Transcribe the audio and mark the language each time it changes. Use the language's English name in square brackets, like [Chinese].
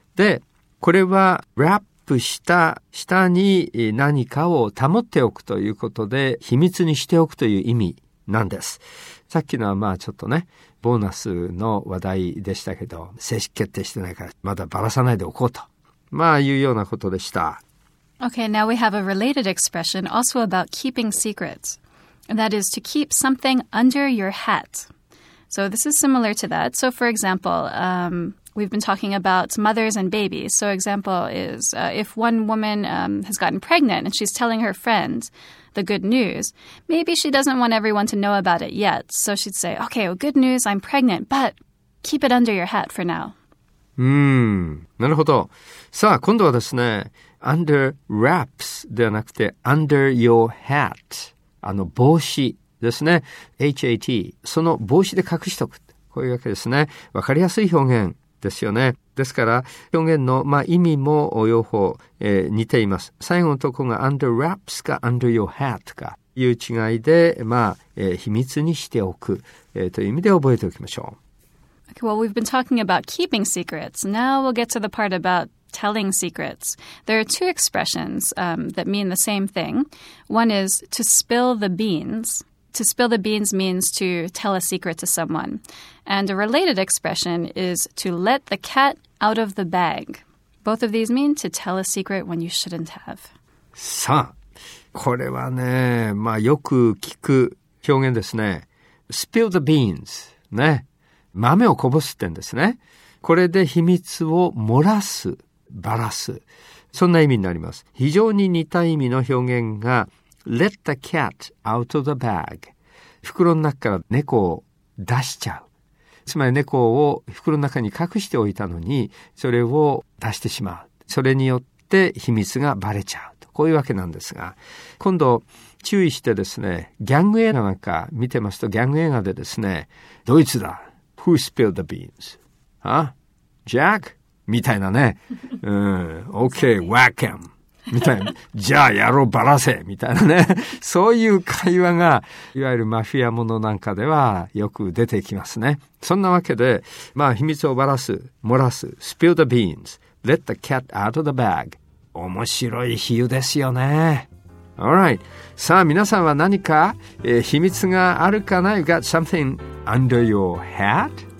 [Japanese] で、これは wrap した下に何かを保っておくということで、秘密にしておくという意味なんです。さっきのはまあちょっとね、ボーナスの話題でしたけど、正式決定してないからまだバラさないでおこうと。まあいうようなことでした。 [English] Okay, now we have a related expression also about keeping secrets. And that is to keep something under your hat. So this is similar to that. So for example, we've been talking about mothers and babies. So example is if one woman has gotten pregnant and she's telling her friend the good news, maybe she doesn't want everyone to know about it yet. So she'd say, okay, well, good news, I'm pregnant, but keep it under your hat for now. [Japanese] なるほど。さあ、今度はですね、 [English] under wraps [Japanese] ではなくて [English] under your hat、 [Japanese] 帽子ですね、 HAT、 その帽子で隠しとく、こういうわけですね。わかりやすい表現ですよね。ですから表現の、まあ、意味も両方、似ています。最後のところが [English] under wraps [Japanese] か [English] under your hat [Japanese] かいう違いで、まあ秘密にしておく、という意味で覚えておきましょう。 [English] Okay, well, we've been talking about keeping secrets. Now we'll get to the part aboutTelling secrets. There are two expressions that mean the same thing. One is to spill the beans. To spill the beans means to tell a secret to someone. And a related expression is to let the cat out of the bag. Both of these mean to tell a secret when you shouldn't have. [Japanese] さあ、これはね、まあよく聞く表現ですね。 [English] Spill the beans. ね。 [Japanese] 豆をこぼすってんですね。これで秘密を漏らす。バラす、そんな意味になります。非常に似た意味の表現が [English] Let the cat out of the bag、 [Japanese] 袋の中から猫を出しちゃう、つまり猫を袋の中に隠しておいたのにそれを出してしまう、それによって秘密がバレちゃうと、こういうわけなんですが、今度注意してですね、ギャング映画なんか見てますと、ギャング映画でですね、ドイツだ、 [English] Who spilled the beans? Huh? Jack? [Japanese] みたいなね、うん、 [English] OK, whack him! [Japanese] みたいな、じゃあやろう、バラせみたいなね、そういう会話が、いわゆるマフィアものなんかではよく出てきますね。そんなわけで、まあ、秘密をバラす、漏らす、 [English] spill the beans, let the cat out of the bag。 [Japanese] 面白い比喩ですよね。 [English] All right. [Japanese] さあ、皆さんは何か、秘密があるかな ? [English] You got something under your hat?